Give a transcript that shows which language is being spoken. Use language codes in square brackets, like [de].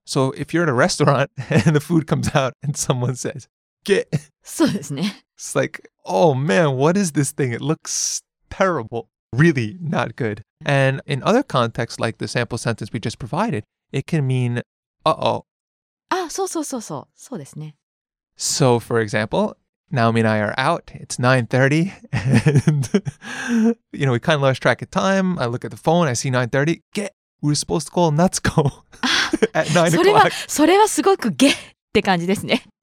[en] So if you're at a restaurant and the food comes out and someone says げ、 [ja] そうですね。 [en] It's like oh man, what is this thing? It looks terrible, really not good. And in other contexts, like the sample sentence we just provided, it can mean uh-oh. [ja] Ah, そうそうそうそう、そうですね。 [en] So, for example, Naomi and I are out. It's 9:30. And, you know, we kind of lost track of time. I look at the phone. I see 9:30. ゲ!We were supposed to call Natsuko at 9 o'clock. [ja] それはすごくゲって感じですね。